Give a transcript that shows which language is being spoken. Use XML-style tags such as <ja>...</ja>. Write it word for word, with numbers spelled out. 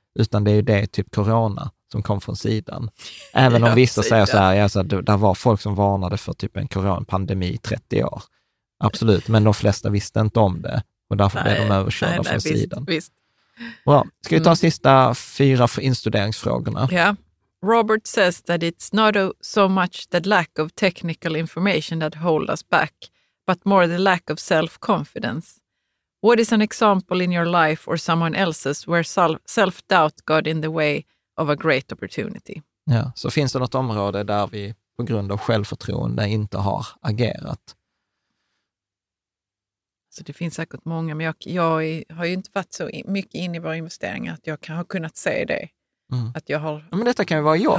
<sv>Utan det är ju det, typ corona som kom från sidan. Även om vissa säger så här, alltså, det var folk som varnade för typ en coronapandemi i trettio år. Absolut, men de flesta visste inte om det. Och därför nej, blev de överkörda nej, nej, från visst, sidan. Visst. Bra. Ska vi ta sista fyra för instuderingsfrågorna?</sv> <en>Yeah. Robert says that it's not so much the lack of technical information that holds us back, but more the lack of self-confidence. What is an example in your life or someone else's where self-doubt got in the way of a great opportunity?</en> <sv>Ja, så finns det något område där vi på grund av självförtroende inte har agerat? Så det finns säkert många, men jag, jag har ju inte varit så mycket in i våra investeringar att jag kan, har kunnat se det. Mm. Att jag har... Ja, men detta kan ju vara jobb.</sv>